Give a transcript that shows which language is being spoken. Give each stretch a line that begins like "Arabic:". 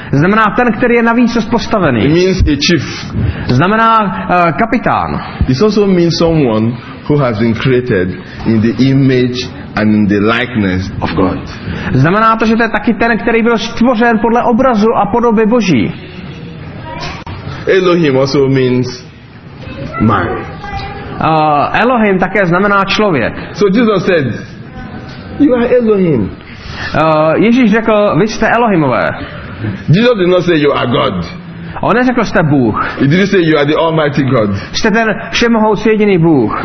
Czech: Znamená ten, který je navýsost postavený.
English: It means a chief.
Czech: Znamená kapitán.
English: It also means someone who has been created in the image and in the likeness of God.
Czech: Znamená to, že to je taky ten, který byl stvořen podle obrazu a podoby Boží.
English: Elohim also means man.
Czech: Elohim také znamená člověk.
English: So Jesus said, you are Elohim.
Czech: Ježíš řekl, vy jste Elohimové.
English: Jesus did not say you are God.
Czech: On neřekl, jste Bůh.
English: He didn't say you are the Almighty God.
Czech: Jste ten všemohoucí jediný Bůh.